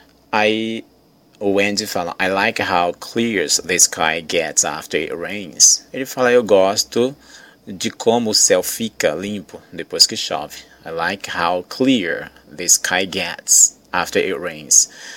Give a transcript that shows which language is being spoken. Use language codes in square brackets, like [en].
[pt] Aí, o Andy fala, [en] I like how clear the sky gets after it rains. [pt] Ele fala, eu gosto de como o céu fica limpo depois que chove. [en] I like how clear the sky gets after it rains.